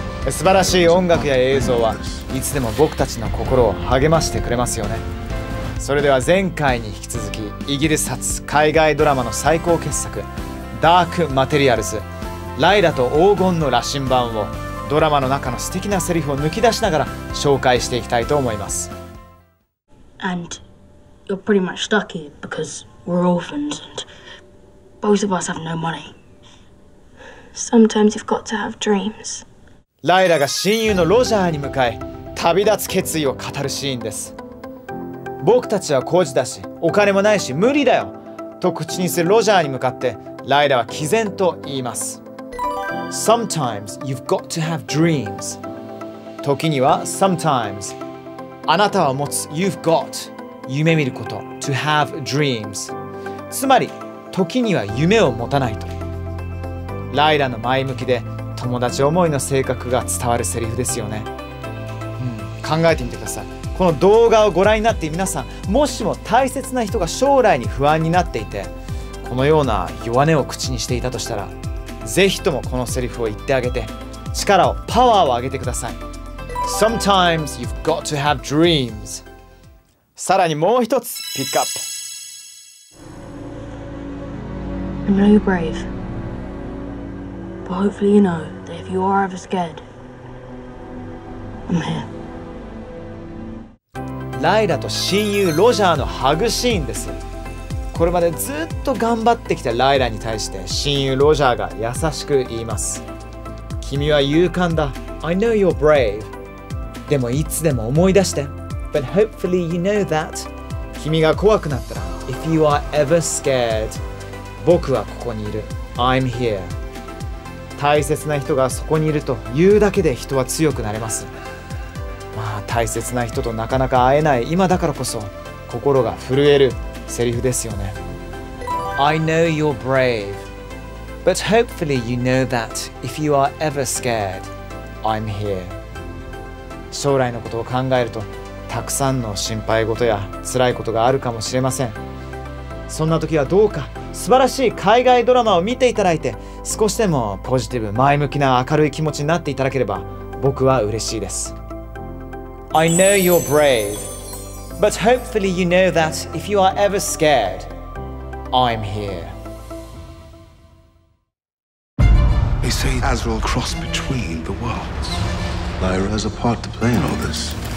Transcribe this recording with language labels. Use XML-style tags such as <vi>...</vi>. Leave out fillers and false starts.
<ja>素晴らしい音楽や映像はいつでも僕たちの心を励ましてくれますよね。それでは前回に引き続き、イギリス発海外ドラマの最高傑作、ダークマテリアルズ、ライラと黄金の羅針盤をドラマの中の素敵なセリフを抜き出しながら紹介していきたいと思います。</ja> <en>And you're pretty much lucky because we're orphans and both of us have no money. Sometimes you've got to have dreams.</en> <ja>ライラが親友のロジャーに向かい、旅立つ決意を語るシーンです。僕たちは孤児だし、お金もないし無理だよと口にするロジャーに向かって、ライラは毅然と言います。</ja> <en>Sometimes you've got to have dreams.</en> <ja>時には</ja> <en>Sometimes</en> <ja>あなたは持つ</ja> <en>You've got</en> <ja>夢見ること</ja> <en>To have dreams</en> <ja>つまり時には夢を持たないと。ライラの前向きで友達思いの性格が伝わるセリフですよね。考えてみてください。この動画をご覧になっている皆さん、もしも大切な人が将来に不安になっていて、このような弱音を口にしていたとしたら、ぜひともこのセリフを言ってあげて、力を、パワーを上げてください。</ja> <en>Sometimes you've got to have dreams.</en> <ja>さらにもう一つ、ピックアップ。</ja> <en>I know you're brave. But hopefully you know that if you are ever scared, I'm here.</en> <ja>ライラと親友ロジャーのハグシーンです。これまでずっと頑張ってきたライラに対して親友ロジャーが優しく言います。君は勇敢だ。</ja> <en>I know you're brave.</en> <ja>でもいつでも思い出して。</ja> <en>But hopefully you know that.</en> <ja>君が怖くなったら。</ja> <en>If you are ever scared.</en> <ja>僕はここにいる。</ja> <en>I'm here.</en> <ja>大切な人がそこにいると言うだけで人は強くなれます。まあ大切な人となかなか会えない今だからこそ心が震えるセリフですよね。</ja> <en>I know you're brave. But hopefully you know that if you are ever scared, I'm here.</en> <ja>将来のことを考えるとたくさんの心配事や辛いことがあるかもしれません。そんな時はどうか素晴らしい海外ドラマを見ていただいて、少しでもポジティブ、前向きな明るい気持ちになっていただければ僕は嬉しいです。</ja> <en>I know you're brave. But hopefully you know that if you are ever scared, I'm here. They say Azrael crossed between the worlds. Lyra has a part to play in all this.</en>